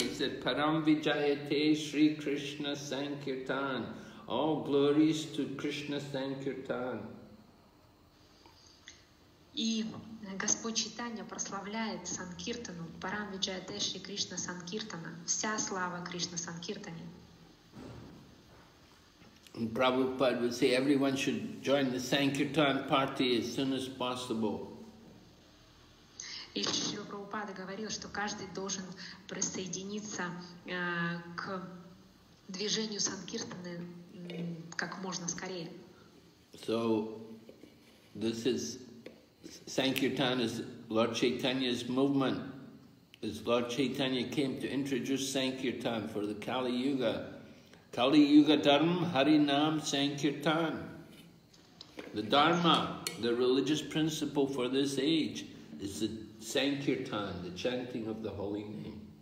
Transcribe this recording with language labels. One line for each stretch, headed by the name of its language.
English: He said,
Sanskrit: Param Vijayate Shri Krishna Sankirtan.
English: All glories to Krishna Sankirtan.
Russian: И Господь Чайтанья прославляет Санкиртану,
Sanskrit: Парам Виджаяте Шри Кришна Санкиртана,
Russian: вся слава Кришна Санкиртане.
English: And Prabhupada would say everyone should join the Sankirtan party as soon as possible.
Russian: И Шрила Прабхупада говорил, что каждый должен присоединиться к движению Санкиртаны как можно скорее.
English: So this is Sankirtan is Lord Chaitanya's movement. As Lord Chaitanya came to introduce Sankirtan for the Kali Yuga. Kali Yuga Dharma Hari Nam Sankirtan. The Dharma, the religious principle for this age, is the Sankirtan, the chanting of the holy name.